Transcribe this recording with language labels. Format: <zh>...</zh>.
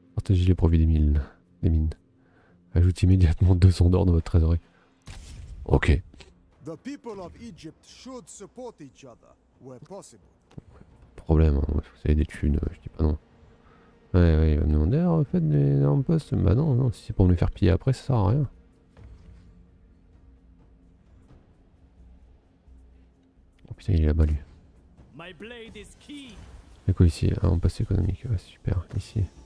<fr>J'ai provis des mines. Ajoute immédiatement 200 d'or dans votre trésorerie. Ok.</fr> <en>The people of Egypt should support each other where possible.</en> <fr>Problème, hein. Vous avez des thunes, je dis pas non. Ouais, ouais, il va me demander en fait des armes postes. Bah non, non, si c'est pour me les faire piller après, ça sert à rien. Oh putain, il est là-bas lui.</fr> <en>My blade is key.</en> <fr>Du coup, ici, un hein, passe économique, ouais, super, ici.</fr>